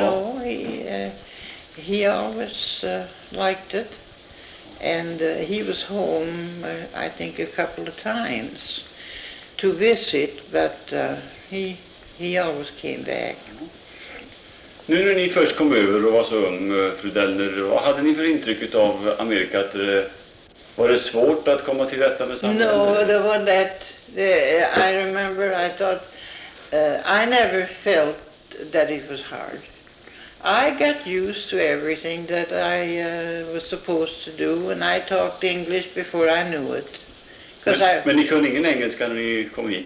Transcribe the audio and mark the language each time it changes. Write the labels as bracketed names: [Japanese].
[English] No, he always liked it, and he was home I think a couple of times to visit, but he always came back. [Swedish] Nu när ni först kom över och var så ung, fru Dellner, vad hade ni för intryck av Amerika? Att var det svårt att komma till rätta med samhället? [English] No, [Swedish] det var [English] that. I remember I thought, I never felt that it was hard. I got used to everything that I was supposed to do, and I talked English before I knew it. [Swedish] Men ni kunde ingen engelska när ni kom hit?